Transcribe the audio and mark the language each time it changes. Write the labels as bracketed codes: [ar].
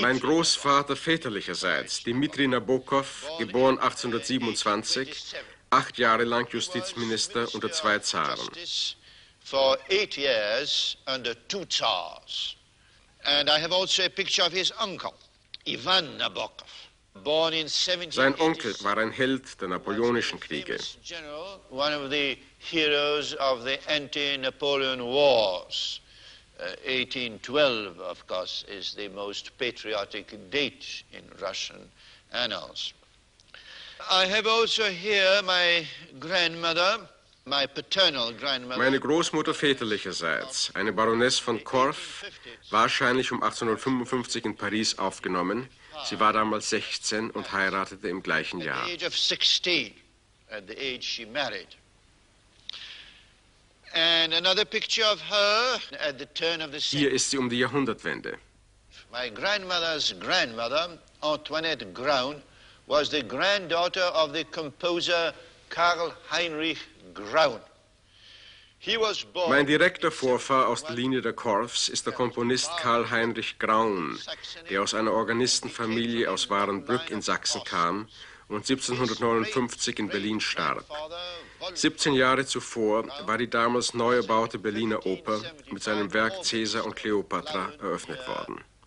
[de] Mein Großvater väterlicherseits, Dmitri Nabokov, geboren 1827, 8 Jahre lang Justizminister unter 2 Zaren. [en] For 8 years under 2 Tsars. And I have also a picture of his uncle, Ivan Nabokov. [de] Sein Onkel war ein Held der napoleonischen Kriege. [en] One of the heroes of the anti-Napoleon Wars. 1812, of course, is the most patriotic date in Russian annals. I have also here my grandmother, my paternal grandmother. [de] Meine Großmutter väterlicherseits, eine Baroness von Korf, wahrscheinlich um 1855 in Paris aufgenommen. Sie war damals 16 und heiratete im gleichen Jahr. [en] At the age of 16, at the age she married. And another picture of her at the turn of the century. [de] Hier ist sie um die Jahrhundertwende. [en] My grandmother's grandmother, Antoinette Graun, was the granddaughter of the composer Karl Heinrich Graun. [de] Mein direkter Vorfahr aus der Linie der Korfs ist der Komponist Karl Heinrich Graun, der aus einer Organistenfamilie aus Warenbrück in Sachsen kam und 1759 in Berlin starb. 17 Jahre zuvor war die damals neu erbaute Berliner Oper mit seinem Werk Cäsar und Kleopatra eröffnet worden.